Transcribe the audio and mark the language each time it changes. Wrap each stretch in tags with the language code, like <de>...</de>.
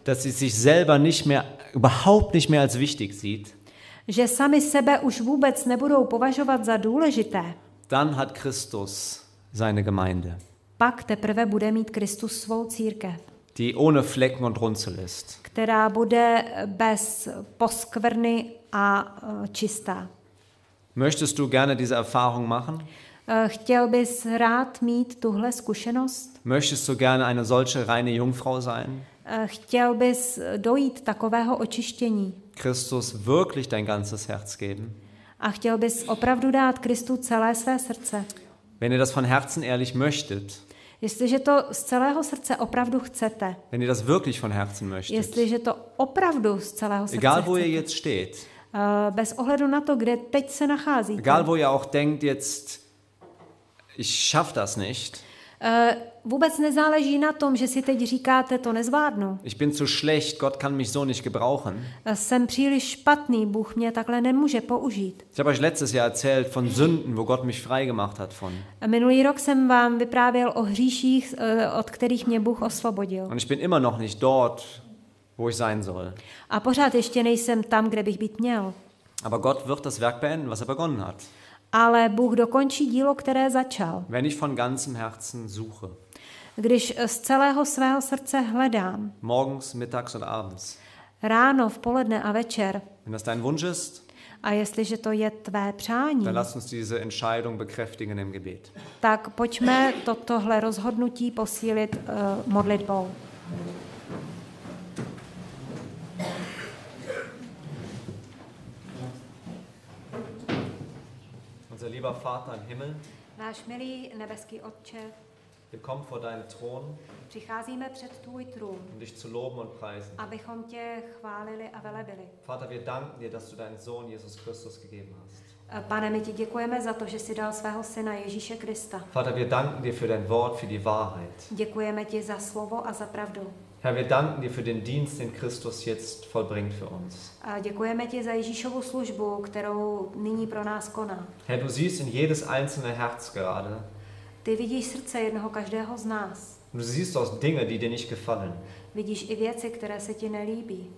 <de>dass sie sich selber nicht mehr, überhaupt nicht mehr als wichtig sieht,</de> <cs>že sami sebe už vůbec nebudou považovat za důležité,</cs> <de>dann hat Christus seine Gemeinde.</de> <cs>Pak teprve bude mít Kristus svou církev,</cs> <de>die ohne Flecken und Runzel ist,</de> <cs>která bude bez poskvrny a čistá.</cs> <de>Möchtest du gerne diese Erfahrung machen?</de> <cs>Chtěl bys rád mít tuhle zkušenost?</cs> <de>Möchtest du gerne eine solche reine Jungfrau sein?</de> <cs>Chtěl bys dojít takového očištění?</cs> <de>Christus wirklich dein ganzes Herz geben?</de> <cs>A chtěl bys opravdu dát Kristu celé své srdce?</cs> <de>Wenn ihr das von Herzen ehrlich möchtet.</de> <cs>Jestliže to z celého srdce opravdu chcete.</cs> <de>Wenn ihr das wirklich von Herzen möchtet.</de> <cs>Jestliže to opravdu z celého srdce.</cs> <de>Egal wo ihr jetzt steht.</de> <cs>Bez ohledu na to, kde teď se nacházíte.</cs> <de>Egal wo ihr auch denkt jetzt, ich schaff das nicht.</de> <cs>Vůbec nezáleží na tom, že si teď říkáte, to nezvládnu.</cs> <de>Ich bin zu schlecht, Gott kann mich so nicht gebrauchen.</de> <cs>Jsem příliš špatný, Bůh mě takhle nemůže použít.</cs> <de>Ich habe euch letztes Jahr erzählt von Sünden, wo Gott mich frei gemacht hat von.</de> <cs>Minulý rok jsem vám vyprávěl o hříších, od kterých mě Bůh osvobodil.</cs> <de>Und ich bin immer noch nicht dort, wo ich sein soll.</de> <cs>A pořád ještě nejsem tam, kde bych být měl.</cs> <de>Aber Gott wird das Werk beenden, was er begonnen hat.</de> <cs>Ale Bůh dokončí dílo, které začal.</cs> <de>Wenn ich von ganzem Herzen suche.</de> <cs>Když z celého svého srdce hledám.</cs> <de>Morgens, mittags und abends.</de> <cs>Ráno, v poledne a večer.</cs> <de>Wenn das dein Wunsch ist.</de> <cs>A jestliže to je tvé přání.</cs> <de>Dann lass uns diese Entscheidung bekräftigen im Gebet.</de> <cs>Tak pojďme tohle rozhodnutí posílit modlitbou.</cs> <de>Unser lieber Vater im Himmel.</de> <cs>Náš milý nebeský Otče.</cs> <de>Wir kommen vor deinen Thron.</de> <cs>Přicházíme před tvůj trůn.</cs> <de>Um dich zu loben und preisen.</de> <cs>Abychom tě chválili a velebili.</cs> <de>Vater, wir danken dir, dass du deinen Sohn Jesus Christus gegeben hast.</de> <cs>Pane, my ti děkujeme za to, že jsi dal svého syna Ježíše Krista.</cs> <de>Vater, wir danken dir für dein Wort, für die Wahrheit.</de> <cs>Děkujeme ti za slovo a za pravdu.</cs> <de>Herr, wir danken dir für den Dienst, den Christus jetzt vollbringt für uns.</de> <cs>Děkujeme ti za Ježíšovu službu, kterou nyní pro nás koná.</cs> <de>Herr, du siehst in jedes einzelne Herz gerade.</de> <cs>Ty vidíš srdce jednoho každého z nás.</cs> <de>Du siehst auch Dinge, die dir nicht gefallen.</de> <cs>Vidíš i věci, které se ti nelíbí.</cs>